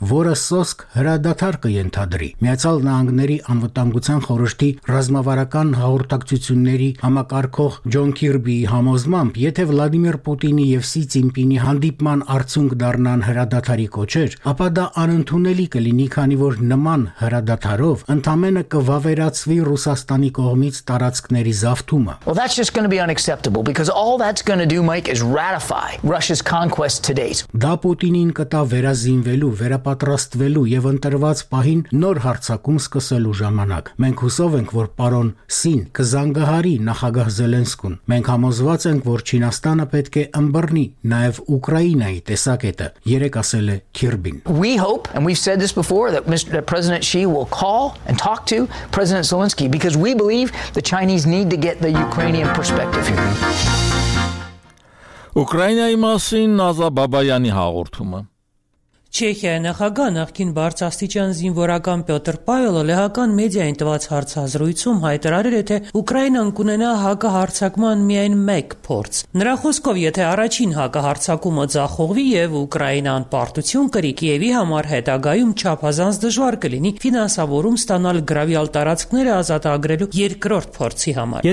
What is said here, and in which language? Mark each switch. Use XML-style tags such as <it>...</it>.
<hy>որը սոսկ հրադադար կենթադրի Միացյալ Նահանգների անվտանգության խորհրդի ռազմավարական հաղորդակցությունների համակարգող Ջոն Քիրբի համոզմամբ, եթե Վլադիմիր Պուտինի եւ Սի Ցինպինի հանդիպման արդյունք դառնան հրադադարի կոչեր, ապա դա անընդունելի կլինի, քանի որ նման հրադադարով ընդամենը կվավերացվի Ռուսաստանի կողմից տարածքների զավթումը։</hy> <en>Well, that's just going to be unacceptable because all that's going to do, Mike, is ratify Russia's conquest to date.</en> <hy>Դա Պուտինին կտա վերազինվելու, վերապատրաստվելու եւ ընտրված պահին նոր հարցակում սկսելու ժամանակ։ Մենք հուսով ենք, որ պարոն Սին կզանգահարի նախագահ Զելենսկուն։ Մենք համոզված ենք, որ Չինաստանը պետք է ըմբռնի նաև Ուկրաինայի տեսակետը, երեկ ասել է Քիրբին։</hy> <en>We hope and we've said this before that Mr. President Xi will call and talk to President Zelensky because we believe the Chinese need to get the Ukrainian perspective here.</en> <hy>Ուկրաինայի մասին Նազա Բաբայանի հաղորդումը։ Չեխիայի նախագահ նախկին բարձրաստիճան զինվորական Պյոտր Պավելը լեհական մեդիային տված հարցազրույցում հայտարարել է, թե Ուկրաինան կունենա հակահարցակման միայն մեկ փորձ։ Նրա խոսքով, եթե առաջին հակահարցակումը ձախողվի եւ Ուկրաինան պարտություն կրի, Կիևի համար հետագայում չափազանց դժվար կլինի ֆինանսավորում ստանալ գրավյալ տարածքները ազատագրելու երկրորդ փորձի համար։</hy>